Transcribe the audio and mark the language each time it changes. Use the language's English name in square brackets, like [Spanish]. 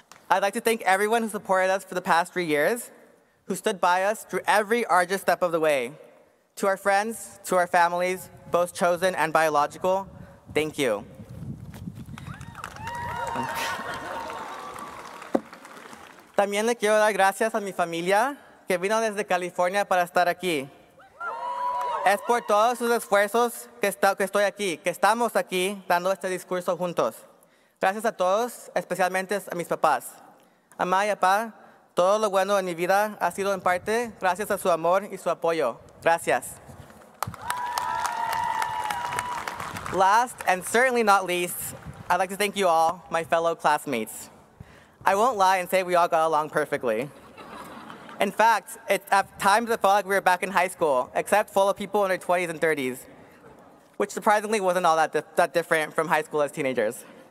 [English] I'd like to thank everyone who supported us for the past 3 years, who stood by us through every arduous step of the way. To our friends, to our families, both chosen and biological, thank you. [Spanish] También le quiero dar gracias a mi familia que vino desde California para estar aquí. Es por todos sus esfuerzos que estamos aquí dando este discurso juntos. Gracias a todos, especialmente a mis papás. Mamá y papá, todo lo bueno en mi vida ha sido en parte gracias a su amor y su apoyo. Gracias. [English] Last and certainly not least, I'd like to thank you all, my fellow classmates. I won't lie and say we all got along perfectly. In fact, at times it felt like we were back in high school, except full of people in their 20s and 30s, which surprisingly wasn't all that different from high school as teenagers.